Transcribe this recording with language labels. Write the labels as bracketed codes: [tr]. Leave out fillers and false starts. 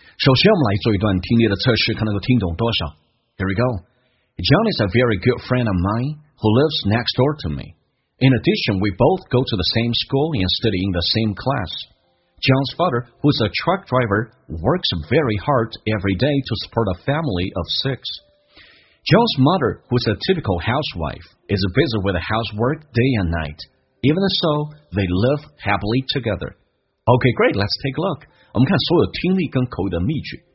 [zh] 首先我们来做一段听力的测试，看能够听懂多少。 [en] Here we go. John is a very good friend of mine who lives next door to me. In addition, we both go to the same school and study in the same class. John's father, who is a truck driver, works very hard every day to support a family of six. John's mother, who is a typical housewife, is busy with housework day and night. Even so, they live happily together. Okay, great, let's take a look. [zh] 我们看所有听力跟口语的秘诀。